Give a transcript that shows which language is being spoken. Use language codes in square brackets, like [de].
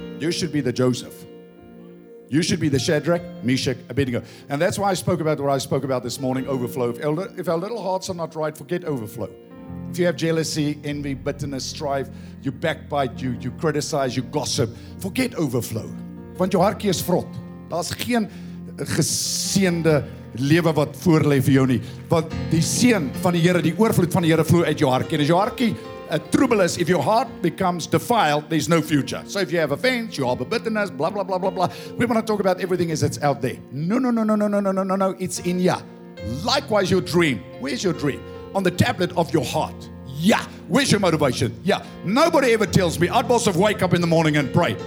[en] You should be the Joseph. You should be the Shadrach, Meshach, Abednego. And that's why I spoke about what I spoke about this morning, overflow. If our little hearts are not right, forget overflow. If you have jealousy, envy, bitterness, strife, you backbite, you criticize, you gossip, forget overflow. [af] Want jou hartjie is vrot. Daar's geen geseënde lewe wat voor lê vir jou nie. Want die seën van die Here, die oorvloed van die Here vloei uit jou hartjie. En as jou hartjie [en] trouble is, if your heart becomes defiled, there's no future. So if you have offense, you have a bitterness, blah, blah, blah, blah, blah. We want to talk about everything as it's out there. No. It's in ya. Likewise, your dream. Where's your dream? On the tablet of your heart. Yeah. Where's your motivation? Yeah. Nobody ever tells me, I'd boss of wake up in the morning and pray.